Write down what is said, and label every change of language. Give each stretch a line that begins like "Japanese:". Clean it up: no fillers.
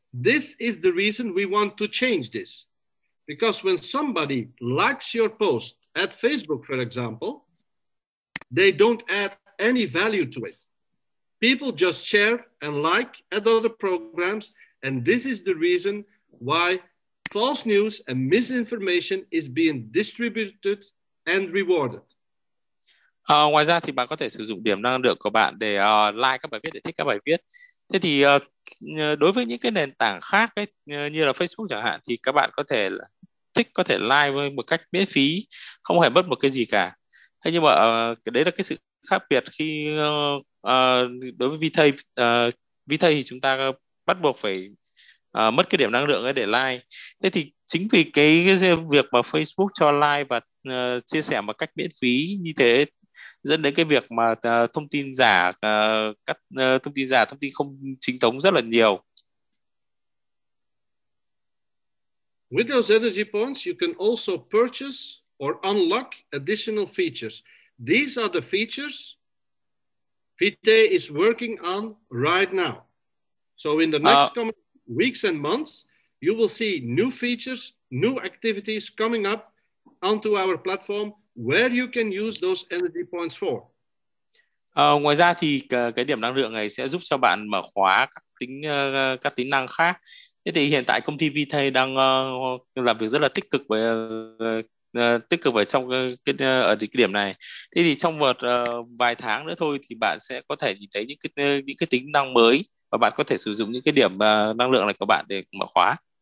English: This is the reason we want to change this. Because when somebody likes your post at Facebook, for example, they don't add any value to it. People just share and like at other programs. And this is the reason why false news and misinformation is being distributed and rewarded.
Vietnamese: Ngoài ra thì bạn có thể sử dụng điểm năng lượng của bạn để like các bài viết, để thích các bài viết. Thế thì đối với những cái nền tảng khác ấy, như là Facebook chẳng hạn, thì các bạn có thể thích, có thể like với một cách miễn phí, không hề mất một cái gì cả. Thế nhưng mà đấy là cái sự khác biệt khi đối với Vitae. Vitae thì chúng ta bắt buộc phải mất cái điểm năng lượng ấy để like. Thế thì chính vì cái việc mà Facebook cho like và chia sẻ một cách miễn phí như thế, dẫn đến cái việc mà thông tin giả, các thông tin giả, thông tin không chính thống rất là nhiều.
English: With those energy points, you can also purchase or unlock additional features. These are the features Vitae is working on right now. So in the next coming weeks and months, you will see new features, new activities coming up onto our platform where you can use those energy points for.
Vietnamese: Ngoài ra thì cái điểm năng lượng này sẽ giúp cho bạn mở khóa các tính năng khác. Thế thì hiện tại công ty Vitae đang làm việc rất là tích cực về trong cái điểm này. Thế thì trong một vài tháng nữa thôi thì bạn sẽ có thể nhìn thấy những cái tính năng mới, và bạn có thể sử dụng những cái điểm năng lượng này của bạn để mở khóa.